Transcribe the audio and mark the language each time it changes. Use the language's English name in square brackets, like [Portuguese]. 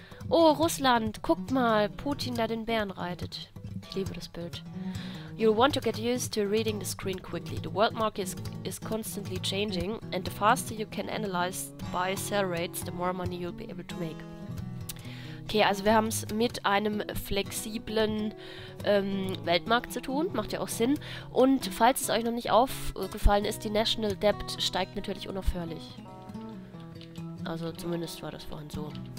[German] Oh, Russland, guckt mal, Putin, der den Bären reitet. Ich liebe das Bild. [English] You'll want to get used to reading the screen quickly. The world market is constantly changing, and the faster you can analyze the buy-sell rates, the more money you'll be able to make. [German] Okay, also wir haben es mit einem flexiblen Weltmarkt zu tun. Macht ja auch Sinn. Und falls es euch noch nicht aufgefallen ist, die National Debt steigt natürlich unaufhörlich. Also zumindest war das vorhin so.